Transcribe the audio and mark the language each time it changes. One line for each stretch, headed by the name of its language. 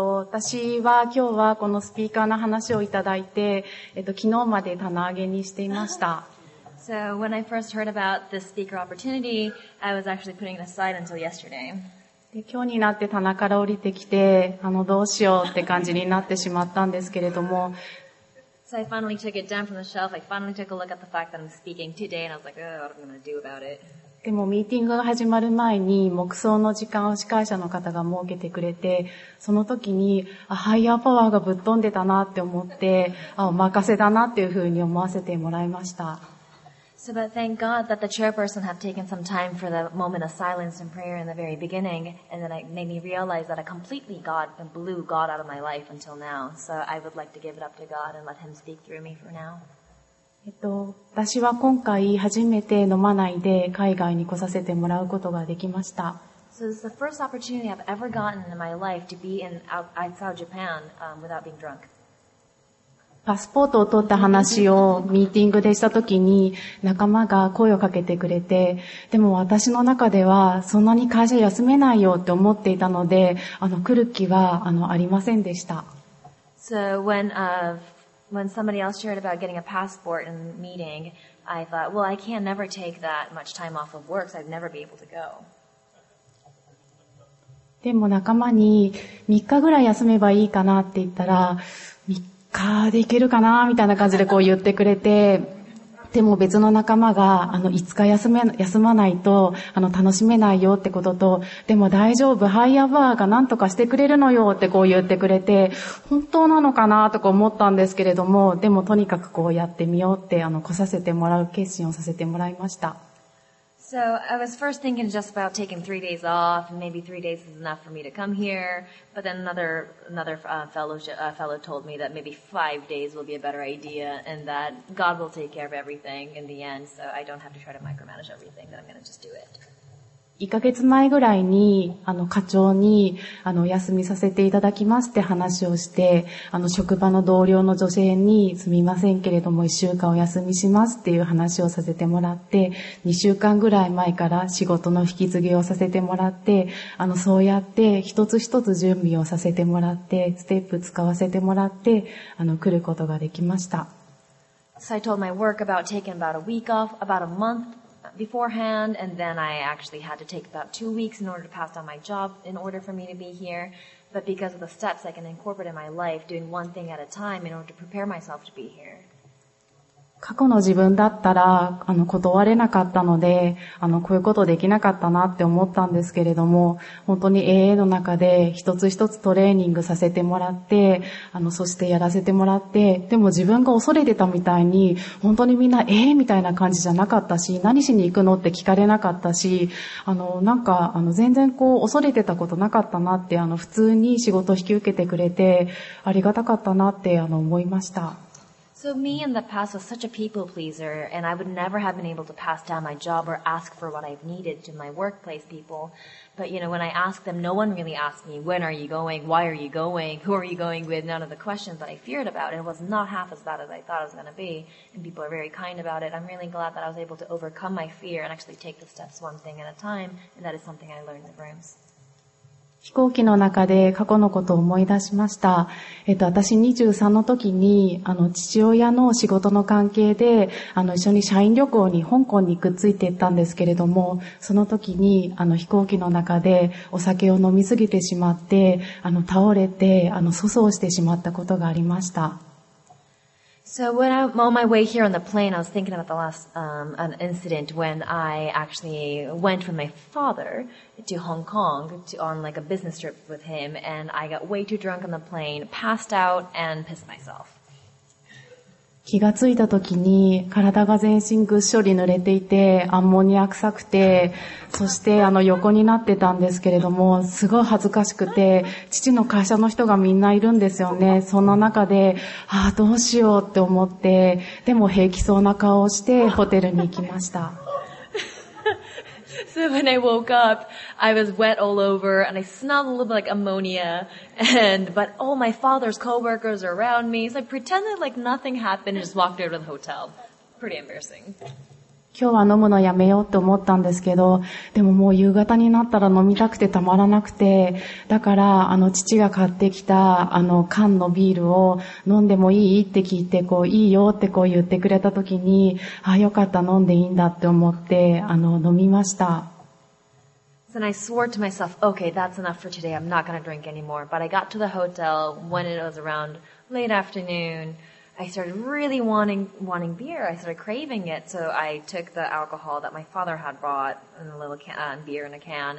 Japanese: 私は今日はこのスピーカーの話をいただいて、昨日まで棚上げにしていました。
English: So when I first heard about this speaker opportunity, I was actually putting it aside until yesterday.
Japanese: で今日になって棚から降りてきて、どうしようって感じになってしまったんですけれども。
English: So I finally took it down from the shelf. I finally took a look at the fact that I'm speaking today, and I was like, "Oh, what am I going to do about it?"
Japanese: でもミーティングが始まる前に黙想の時間を司会者の方が設けてくれて、その時にハイヤーパワーがぶっ飛んでたなって思って、お任せだなっていうふうに思わせてもらいました。
English: So, but thank God that the chairperson had taken some time for the moment of silence and prayer in the very beginning, and then it made me realize that I completely blew God out of my life until now. So I would like to give it up to God and let Him speak through me for now.
Japanese: 私は今回初めて飲まないで海外に来させてもらうことができました。
English: So this is the first opportunity I've ever gotten in my life to be in outside Japan, without being drunk.
Japanese: パスポートを取った話をミーティングでしたときに仲間が声をかけてくれて、でも私の中ではそんなに会社休めないよって思っていたので、来る気はありませんでした。
English: So when, when somebody else shared about getting a passport in a meeting, I thought, well, I can never take that much time off of work, so I'd never be able to go.
Japanese: でも仲間に3日ぐらい休めばいいかなって言ったら、3日でいけるかなみたいな感じでこう言ってくれて、でも別の仲間が、5日休まないと、楽しめないよってことと、でも大丈夫、ハイアバーが何とかしてくれるのよってこう言ってくれて、本当なのかなとか思ったんですけれども、でもとにかくこうやってみようって、来させてもらう決心をさせてもらいました。
English: So, I was first thinking just about taking 3 days off, and maybe 3 days is enough for me to come here, but then another fellow told me that maybe 5 days will be a better idea, and that God will take care of everything in the end, so I don't have to try to micromanage everything, that I'm gonna just do it.
Japanese: 1ヶ月前ぐらいに、課長に、お休みさせていただきますって話をして、職場の同僚の女性に、すみませんけれども、1週間お休みしますっていう話をさせてもらって、2週間ぐらい前から仕事の引き継ぎをさせてもらって、そうやって、一つ一つ準備をさせてもらって、ステップ使わせてもらって、来ることができました。
English: So I told my work about taking about a week off, about a month. Beforehand, and then I actually had to take about 2 weeks in order to pass down my job in order for me to be here. But because of the steps I can incorporate in my life, doing one thing at a time in order to prepare myself to be here.
Japanese: 過去の自分だったら、断れなかったので、こういうことできなかったなって思ったんですけれども、本当に AA の中で一つ一つトレーニングさせてもらって、そしてやらせてもらって、でも自分が恐れてたみたいに、本当にみんな AA みたいな感じじゃなかったし、何しに行くのって聞かれなかったし、全然こう恐れてたことなかったなって、普通に仕事引き受けてくれて、ありがたかったなって、思いました。
English: So me in the past was such a people pleaser, and I would never have been able to pass down my job or ask for what I've needed to my workplace people. But you know, when I ask them, no one really asked me, when are you going, why are you going, who are you going with, none of the questions that I feared about. It was not half as bad as I thought it was going to be, and people are very kind about it. I'm really glad that I was able to overcome my fear and actually take the steps one thing at a time, and that is something I learned in the rooms.
Japanese: 飛行機の中で過去のことを思い出しました。私23の時に、父親の仕事の関係で、一緒に社員旅行に香港にくっついていったんですけれども、その時に、飛行機の中でお酒を飲みすぎてしまって、倒れて、粗相してしまったことがありました。
English: So when I'm on my way here on the plane, I was thinking about the last an incident when I actually went with my father to Hong Kong on a business trip with him, and I got way too drunk on the plane, passed out, and pissed myself.
Japanese: 気がついた時に体が全身ぐっしょり濡れていてアンモニア臭くて、そして横になってたんですけれども、すごい恥ずかしくて、父の会社の人がみんないるんですよね。そんな中で、ああどうしようって思って、でも平気そうな顔をしてホテルに行きました。
English: So when I woke up, I was wet all over and I smelled a little bit like ammonia. But all my father's coworkers are around me. So I pretended like nothing happened and just walked out of the hotel. Pretty embarrassing.
Japanese: 今日は飲むのやめようって思ったんですけど、でももう夕方になったら飲みたくてたまらなくて、だから父が買ってきた缶のビールを飲んでもいいって聞いて、こういいよってこう言ってくれた時に、あ、よかった飲んでいいんだって思って飲みました。
English: So I swore to myself, okay, that's enough for today. I'm not gonna drink anymore. But I got to the hotel when it was around late afternoon. I started really wanting beer. I started craving it. So I took the alcohol that my father had brought and a little beer in a can.